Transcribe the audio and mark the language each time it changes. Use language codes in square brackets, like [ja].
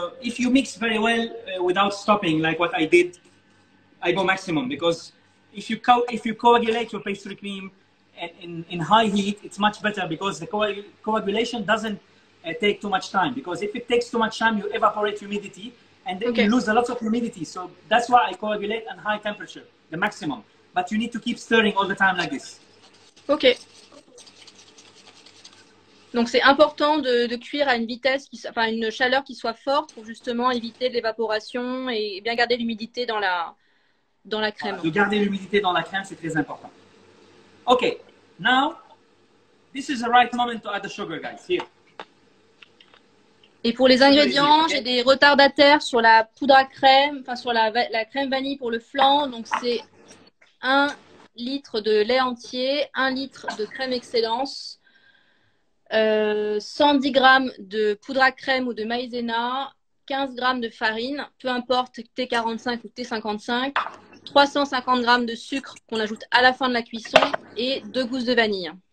[en] If you mix very well without stopping, like what I did, I go maximum, because if you coagulate your pastry cream in high heat, it's much better, because the coagulation doesn't take too much time, because if it takes too much time, you evaporate humidity and then okay. you lose a lot of humidity. So that's why I coagulate at high temperature, the maximum. But you need to keep stirring all the time like this. Okay. [fr] Donc c'est important de cuire à une vitesse, une chaleur qui soit forte pour justement éviter l'évaporation et bien garder l'humidité dans la crème. Voilà, de garder l'humidité dans la crème, c'est très important. [en] Okay, now, this is the right moment to add the sugar, guys, here. [fr] Et pour les ingrédients, okay. j'ai des retardataires sur la poudre à crème, enfin sur la crème vanille pour le flan. Donc c'est 1 litre de lait entier, 1 litre de crème excellence, 110 g de poudre à crème ou de maïzena, 15 g de farine, peu importe T45 ou T55, 350 g de sucre qu'on ajoute à la fin de la cuisson et 2 gousses de vanille.